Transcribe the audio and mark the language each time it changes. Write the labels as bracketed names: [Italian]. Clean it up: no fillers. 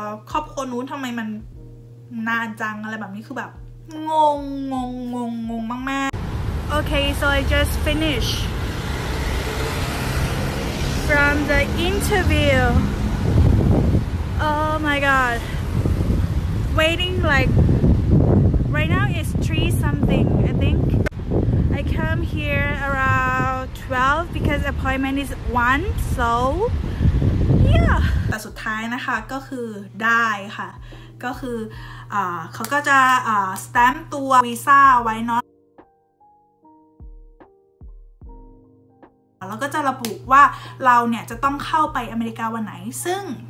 [Thai] ครอบครัวนู้นทำไมมันนานจังอะไรแบบนี้คือแบบงงมากๆโอเค [English] okay, so I just finished from the interview oh my god waiting likeRight now it's 3 something, I think. I come here around 12 because appointment is 1, so yeah. [Thai] แต่สุดท้ายนะคะก็คือได้ค่ะก็คือเขาก็จะสแตมป์ตัววีซ่าไว้เนาะแล้วก็จะระบุว่าเราเนี่ยจะต้องเข้าไปอเมริกาวันไหนซึ่ง